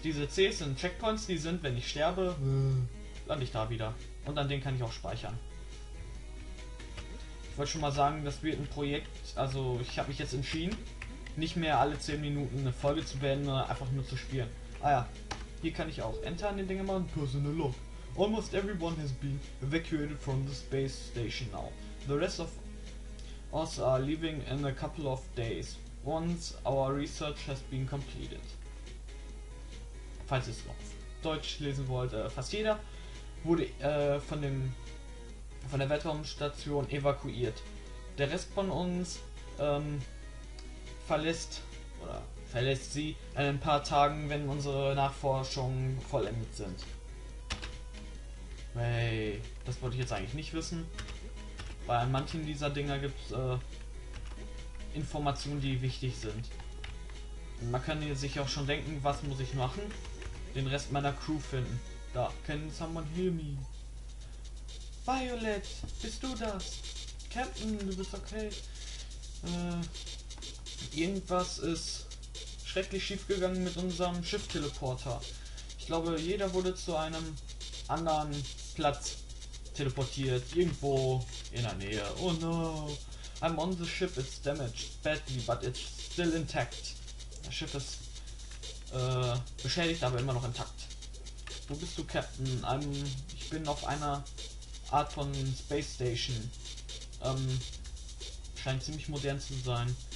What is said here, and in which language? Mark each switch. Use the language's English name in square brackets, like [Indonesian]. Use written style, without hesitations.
[German] Diese Cs sind Checkpoints, die sind, wenn ich sterbe, lande ich da wieder. Und an denen kann ich auch speichern. Ich wollte schon mal sagen, das wird ein Projekt, also ich habe mich jetzt entschieden, nicht mehr alle 10 Minuten eine Folge zu beenden, sondern einfach nur zu spielen. Ah ja, hier kann ich auch Enter an den Dinger machen. [English] Personal log. Almost everyone has been evacuated from the space station now. The rest of us are leaving in a couple of days. Once our research has been completed. [German] Falls ihr es noch auf Deutsch lesen wollt, fast jeder wurde von der Weltraumstation evakuiert. Der Rest von uns verlässt sie in ein paar Tagen, wenn unsere Nachforschungen vollendet sind. Hey, das wollte ich jetzt eigentlich nicht wissen, weil an manchen dieser Dinger gibt es Informationen, die wichtig sind. Man kann sich auch schon denken, was muss ich machen? Den Rest meiner Crew finden. Da, [English] can someone hear me? [German] Violet, bist du das? Captain, du bist okay. Irgendwas ist schrecklich schief gegangen mit unserem Schiff-Teleporter. Ich glaube, jeder wurde zu einem anderen Platz teleportiert, irgendwo in der Nähe. [English] Oh no, I'm on the ship, it's damaged badly, but it's still intact. [German] Das Schiff ist beschädigt, aber immer noch intakt. Wo bist du, Captain? Ich bin auf einer Art von Space Station. Scheint ziemlich modern zu sein.